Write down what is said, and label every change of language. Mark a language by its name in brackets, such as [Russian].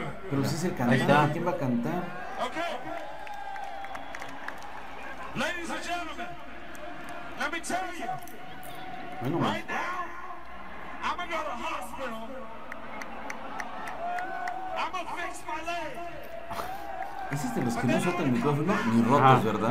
[Spanish] Pero si es el cantante, ¿quién va a cantar? Okay. [English] Ladies and gentlemen, let me tell you. [Spanish] Bueno, [English] right now, I'm gonna go to the hospital. I'm gonna fix my leg. [Spanish] Ese es de los que no suelta el micrófono ni rotos, ¿verdad?